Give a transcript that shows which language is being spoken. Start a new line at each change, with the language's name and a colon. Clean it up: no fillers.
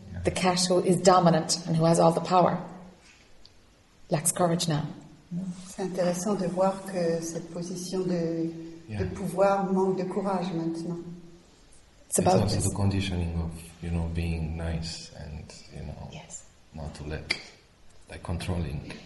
English: The cat who is dominant and who has all the power lacks courage now.
French: C'est intéressant de voir que cette position de pouvoir manque de courage maintenant.
English: It's about also this. The conditioning of, you know, being nice and, you know, not to let, like controlling.